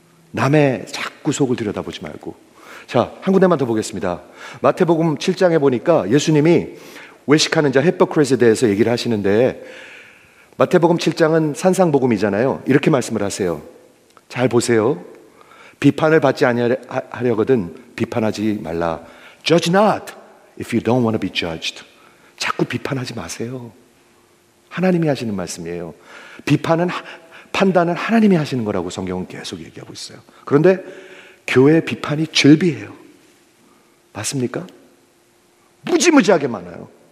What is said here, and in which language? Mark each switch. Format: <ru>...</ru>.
<ko>남의 자꾸 속을 들여다보지 말고. 자, 한 군데만 더 보겠습니다. 마태복음 7장에 보니까 예수님이 외식하는 자 히포크리스에 대해서 얘기를 하시는데, 마태복음 7장은 산상복음이잖아요. 이렇게 말씀을 하세요. 잘 보세요. 비판을 받지 아니하려거든 비판하지 말라.</ko> <en>Judge not if you don't want to be judged.</en> <ko>자꾸 비판하지 마세요. 하나님이 하시는 말씀이에요. 비판은, 판단은 하나님이 하시는 거라고 성경은 계속 얘기하고 있어요. 그런데 교회의 비판이 즐비해요. 맞습니까? 무지무지하게 많아요.</ko>